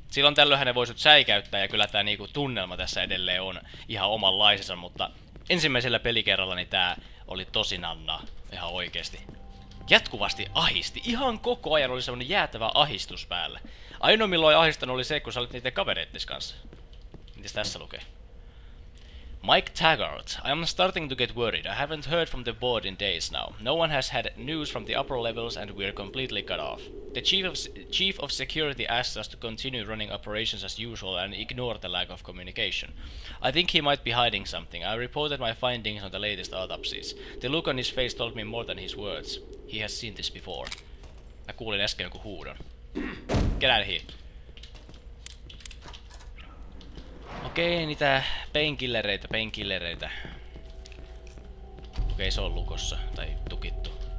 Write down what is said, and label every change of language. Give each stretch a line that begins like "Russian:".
Finnish: Silloin tällöinhän ne voisit säikäyttää ja kyllä tää niinku tunnelma tässä edelleen on ihan omanlaisensa, mutta ensimmäisellä pelikerralla niin tää oli tosi nanna, ihan oikeesti. jatkuvasti ahisti. Ihan koko ajan oli semmonen jäätävä ahistus päällä. Ainoa milloin ahistanut oli se, kun sä olit niiden kavereittis kanssa. Mitäs tässä lukee?
English: Mike Taggart, I'm starting to get worried. I haven't heard from the board in days now. No one has had news from the upper levels and we're completely cut off. The chief of security asked us to continue running operations as usual and ignore the lack of communication. I think he might be hiding something. I reported my findings on the latest autopsies. The look on his face told me more than his words. He has seen this before.
Finnish: Mä kuulin äsken jonkun huudon.
English: Get out of here.
Finnish: Okei, niitä painkillereitä. Okei, se on lukossa, tai tukittu.